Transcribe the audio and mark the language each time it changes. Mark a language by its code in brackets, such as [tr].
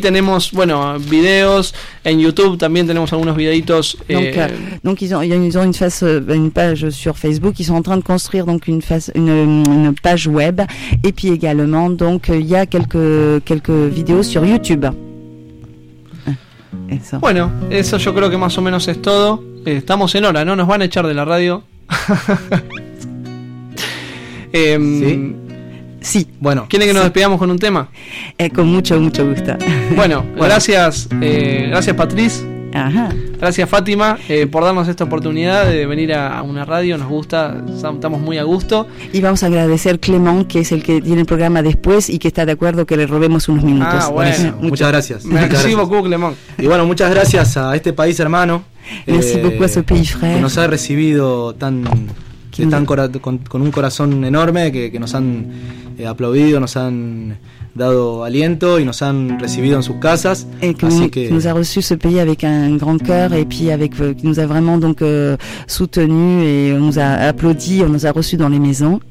[es] tenemos, bueno, videos en YouTube, también tenemos algunos videitos. [fr] Donc ils ont une page sur Facebook, ils sont en train de construire donc une page web et puis également donc il y a quelques vidéos sur YouTube. [es] Eso. Bueno, eso yo creo que más o menos es todo. Estamos en hora, ¿no? Nos van a echar de la radio. Sí. Bueno, ¿quieren que nos despidamos con un tema? Con mucho gusto. Bueno. Gracias, gracias Patriz. Ajá. Gracias Fátima por darnos esta oportunidad de venir a una radio. Nos gusta, estamos muy a gusto. Y vamos a agradecer a Clement, que es el que tiene el programa después y que está de acuerdo que le robemos unos minutos. Ah, bueno. Muchas gracias. [fr] Merci beaucoup, Clement. [es] Y bueno, muchas gracias a este país hermano. [fr] Merci beaucoup à ce pays frère. [es] Que nos ha recibido tan... Están con un corazón enorme que nos han aplaudido, nos han dado aliento y nos han recibido en sus casas. Que nos ha [fr] reçu ce pays avec un grand cœur et puis avec qui nous a vraiment donc soutenu et nous a applaudi, on nous a reçu dans les maisons.